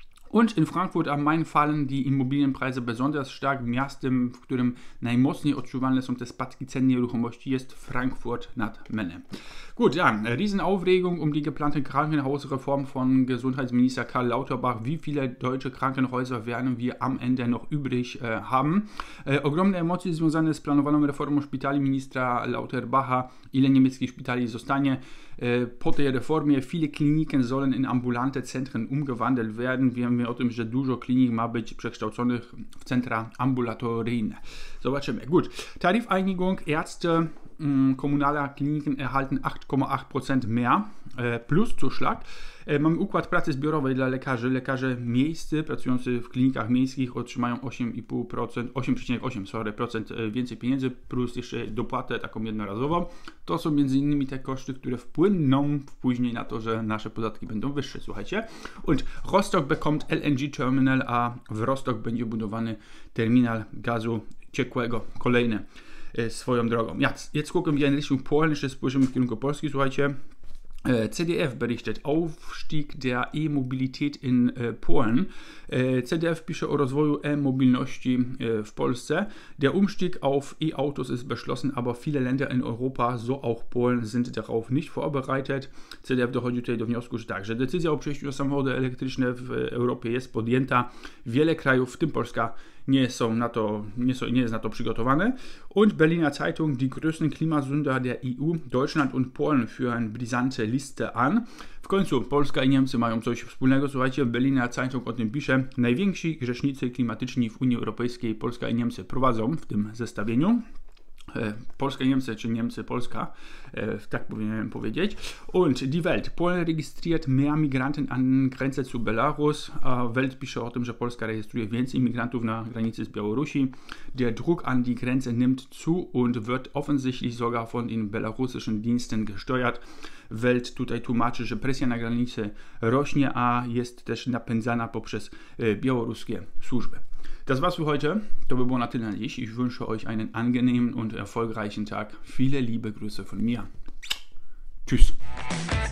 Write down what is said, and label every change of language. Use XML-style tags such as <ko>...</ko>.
<de>Und in Frankfurt am Main fallen die Immobilienpreise besonders stark.</de> <pl>Miastem, w którym najmocniej odczuwalne są te spadki cen nieruchomości, jest Frankfurt nad Menem.</pl> <de>Gut, dann, Riesenaufregung um die geplante Krankenhausreform von Gesundheitsminister Karl Lauterbach. Wie viele deutsche Krankenhäuser werden wir am Ende noch übrig haben?</de> <pl>Ogromne emocje związane z planowaną reformą szpitali ministra Lauterbacha. Ile niemieckich szpitali zostanie? Po tej reformie</pl> <de>viele Kliniken sollen in ambulante Zentren umgewandelt werden.</de> <pl>Wiemy o tym, że dużo klinik ma być przekształconych w centra ambulatoryjne. Zobaczymy.</pl> <de>Gut. Tarifeinigung. Ärzte kommunaler Kliniken erhalten 8,8% mehr Pluszuschlag.</de> <pl>Mam układ pracy zbiorowej dla lekarzy. Lekarze miejscy pracujący w klinikach miejskich otrzymają 8,5%, 8,8% więcej pieniędzy plus jeszcze dopłatę taką jednorazową. To są między innymi te koszty, które wpłyną później na to, że nasze podatki będą wyższe. Słuchajcie.</pl> <de>Und Rostock bekommt LNG Terminal,</de> <pl>a w Rostock będzie budowany terminal gazu ciekłego. Kolejne swoją drogą.</pl> <de>Jetzt gucken wir in Richtung Polen,</de> <pl>jeszcze spojrzymy w kierunku Polski, słuchajcie.</pl> <de>CDF berichtet Aufstieg der E-Mobilität in Polen.</de> <pl>CDF pisze o rozwoju E-Mobilności w Polsce.</pl> <de>Der Umstieg auf E-Autos ist beschlossen, aber viele Länder in Europa, so auch Polen, sind darauf nicht vorbereitet.</de> <pl>CDF dochodzi tutaj do wniosku, że także decyzja o przejściu na samochody elektryczne w Europie jest podjęta. Wiele krajów, w tym Polska, nie jest na to przygotowane.</pl> <de>Und Berliner Zeitung, die größten Klimasünder der EU, Deutschland und Polen führen brisante Liste an.</de> <pl>W końcu Polska i Niemcy mają coś wspólnego. Słuchajcie, Berliner Zeitung o tym pisze. Najwięksi grzesznicy klimatyczni w Unii Europejskiej Polska i Niemcy prowadzą w tym zestawieniu. Polska i Niemcy, czy Niemcy, Polska, tak powinienem powiedzieć.</pl> <de>Und die Welt. Polen registriert mehr Migranten an Grenze zu Belarus.</de> <pl>Welt pisze o tym, że Polska rejestruje więcej migrantów na granicy z Białorusi.</pl> <de>Der Druck an die Grenze nimmt zu und wird offensichtlich sogar von den belarussischen Diensten gesteuert.</de> <pl>Welt tutaj tłumaczy, że presja na granicy rośnie, a jest też napędzana poprzez białoruskie służby.</pl> <de>Das war's für heute.</de> <pl>To by było na tyle na dziś.</pl> <de>Ich wünsche euch einen angenehmen und erfolgreichen Tag. Viele liebe Grüße von mir. Tschüss.</de>